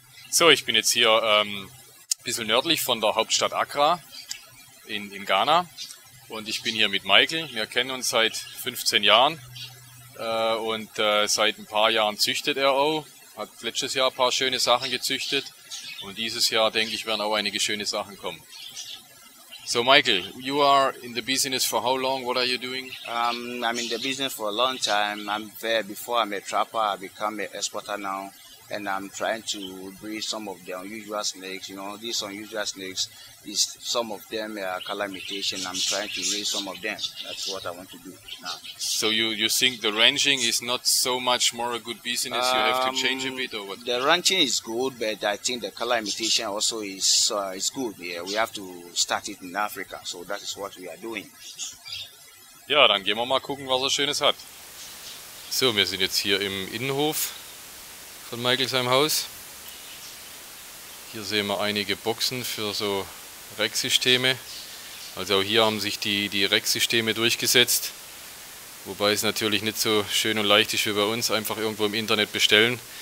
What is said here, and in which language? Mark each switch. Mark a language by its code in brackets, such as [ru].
[de] So, ich bin jetzt hier ein bisschen nördlich von der Hauptstadt Accra in Ghana. Und ich bin hier mit Michael. Wir kennen uns seit 15 Jahren und seit ein paar Jahren züchtet er auch. Hat letztes Jahr ein paar schöne Sachen gezüchtet und dieses Jahr, denke ich, werden auch einige schöne Sachen kommen. [en] So Michael, you are in the business for how long? What are you doing? I'm in the business for a long time. I'm there before I'm a trapper. I become an exporter now. And I'm trying to breed some of the unusual snakes. You know, these unusual snakes, is some of them are calamitation. I'm trying to raise some of them. That's what I want to do now. So you think the ranching is not so much more a good business? You have to change a bit or what? The ranching is good, but I think the calamitation also is good. Yeah, we have to start it in Africa. So that is what we are doing. [de] Ja, dann gehen wir mal gucken, was er Schönes hat. So, wir sind jetzt hier im Innenhof von Michael seinem Haus. Hier sehen wir einige Boxen für so Rex-Systeme. Also auch hier haben sich die Rex-Systeme durchgesetzt. Wobei es natürlich nicht so schön und leicht ist wie bei uns, einfach irgendwo im Internet bestellen.